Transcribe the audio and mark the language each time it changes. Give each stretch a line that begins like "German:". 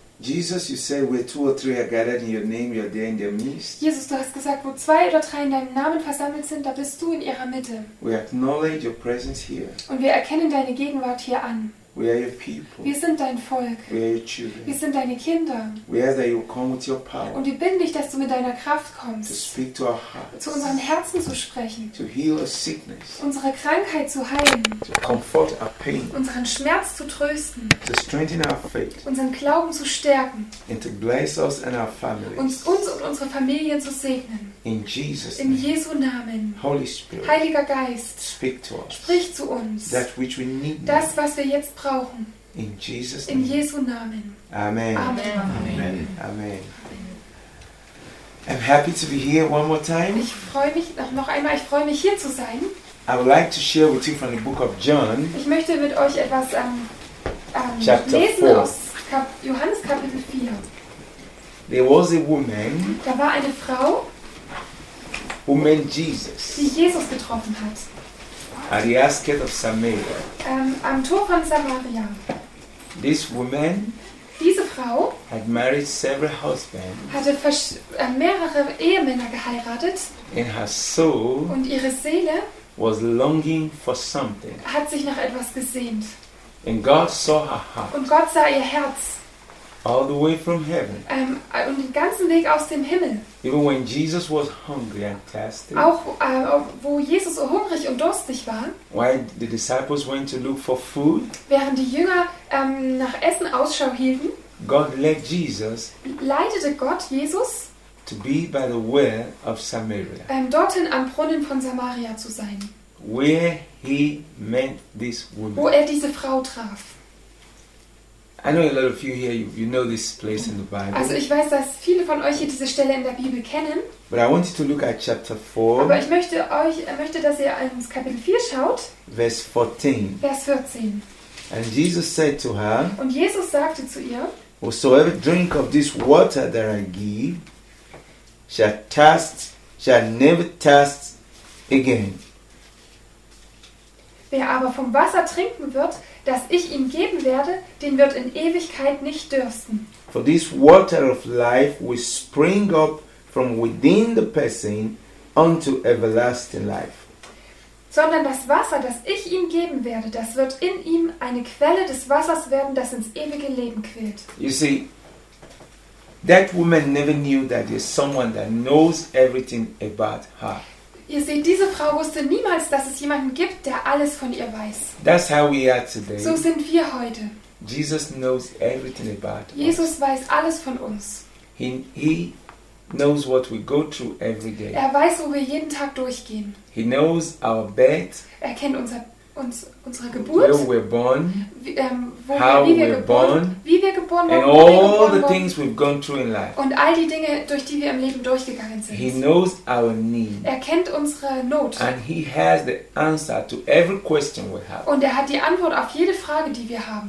English: Jesus, you say, where two or three are gathered in your name, you are there in their midst.
German: Jesus, du hast gesagt, wo zwei oder drei in deinem Namen versammelt sind, da bist du in ihrer Mitte.
English: We acknowledge your presence here.
German: Und wir erkennen deine Gegenwart hier an.
English: We are your people.
German: Wir sind dein Volk.
English: We are your children.
German: Wir sind deine Kinder.
English: We ask that you come with your power.
German: Und wir bitten dich, dass du mit deiner Kraft kommst.
English: To speak to our hearts.
German: Zu unseren Herzen zu sprechen.
English: To heal our sickness.
German: Unsere Krankheit zu heilen.
English: To comfort our pain.
German: Unseren Schmerz zu trösten.
English: To strengthen our faith.
German: Unseren Glauben zu stärken.
English: And to bless us and our families.
German: Und uns und unsere Familien zu segnen.
English: In Jesus' name.
German: In Jesu Namen.
English: Holy Spirit.
German: Heiliger Geist.
English: Speak to us.
German: Sprich zu uns.
English: That which we need.
German: Das, was wir jetzt brauchen.
English: In Jesus'
German: name. In Jesu Namen. Amen. Amen. Amen. Amen.
English: I'm happy to be here one more time.
German: Ich freue mich noch einmal. Ich freue mich hier zu sein.
English: I would like to share with you from the book of John.
German: Ich möchte mit euch etwas lesen aus Johannes Kapitel 4.
English: There was a woman.
German: Da war eine Frau.
English: Who met Jesus?
German: Die Jesus getroffen hat.
English: At the outskirts of Samaria.
German: Am Tor von Samaria.
English: This woman.
German: Diese Frau.
English: Had married several husbands.
German: Hatte mehrere Ehemänner geheiratet.
English: And her soul.
German: Und ihre Seele.
English: Was longing for something.
German: Hat sich nach etwas gesehnt.
English: And God saw her heart.
German: Und Gott sah ihr Herz.
English: All the way from heaven.
German: Und den ganzen Weg aus dem Himmel.
English: Even when Jesus was hungry and thirsty.
German: Auch wo Jesus so hungrig und durstig war.
English: While the disciples went to look for food.
German: Während die Jünger nach Essen Ausschau hielten.
English: God led Jesus.
German: Leitete Gott Jesus.
English: To be by the well of Samaria.
German: Dorthin am Brunnen von Samaria zu sein.
English: Where he met this woman.
German: Wo diese Frau traf.
English: I know a lot of you here. You know this place in the Bible.
German: Also ich weiß, dass viele von euch hier diese Stelle in der Bibel kennen.
English: But I want you to look at chapter 4.
German: Aber ich möchte euch dass ihr ins Kapitel 4 schaut.
English: Verse 14.
German: Vers 14.
English: And Jesus said to her.
German: Und Jesus sagte zu ihr.
English: Whosoever drink of this water that I give, shall never thirst again.
German: Wer aber vom Wasser trinken wird, das ich ihm geben werde, den wird in Ewigkeit nicht dürsten.
English: For this water of life will spring up from within the person unto everlasting life.
German: Sondern das Wasser, das ich ihm geben werde, das wird in ihm eine Quelle des Wassers werden, das ins ewige Leben quillt.
English: You see, that woman never knew that there's someone that knows everything about her.
German: Ihr seht, diese Frau wusste niemals, dass es jemanden gibt, der alles von ihr weiß.
English: That's how we are today.
German: So sind wir heute.
English: Jesus knows everything about us.
German: Jesus weiß alles von uns.
English: He knows what we go through every day.
German: Er weiß, wo wir jeden Tag durchgehen.
English: He knows our bed.
German: Er kennt unsere Geburt.
English: Where we're born.
German: Wie wir geboren wurden.
English: And all the things we've gone through in life.
German: Und all die Dinge, durch die wir im Leben durchgegangen sind.
English: He knows our need.
German: Er kennt unsere Not.
English: And he has the answer to every question we have.
German: Und er hat die Antwort auf jede Frage, die wir haben.